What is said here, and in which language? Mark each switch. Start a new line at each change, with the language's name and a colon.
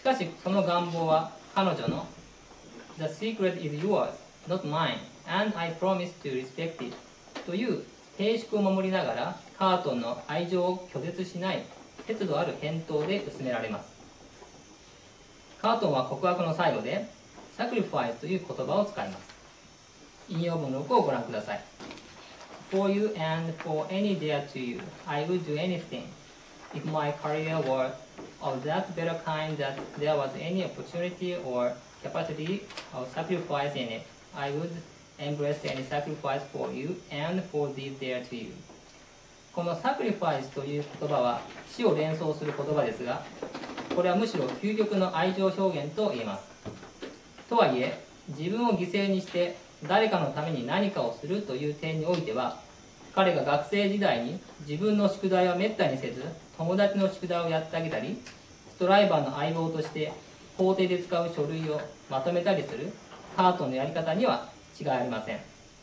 Japanese: しかし、その願望は彼女の
English: The secret is yours, not mine, and I promise to respect it
Japanese: という定式を守りながら、カートンの愛情を拒絶しない節度ある返答で薄められます。カートンは告白の最後で、Sacrifice という言葉を使います。引用文6をご覧ください。
English: For you and for any dear to you, I would do anything if my career were of that better kind that there was any opportunity or capacity of sacrifice in it. I would embrace any sacrifice for you and for these dear to you.
Japanese: この Sacrifice という言葉は死を連想する言葉ですが、これはむしろ究極の愛情表現と言えます。とはいえ、自分を犠牲にして誰かのために何かをするという点においては、彼が学生時代に自分の宿題は滅多にせず、友達の宿題をやってあげたり、ストライバーの相棒として法廷で使う書類をまとめたりするカートンのやり方には違いありません。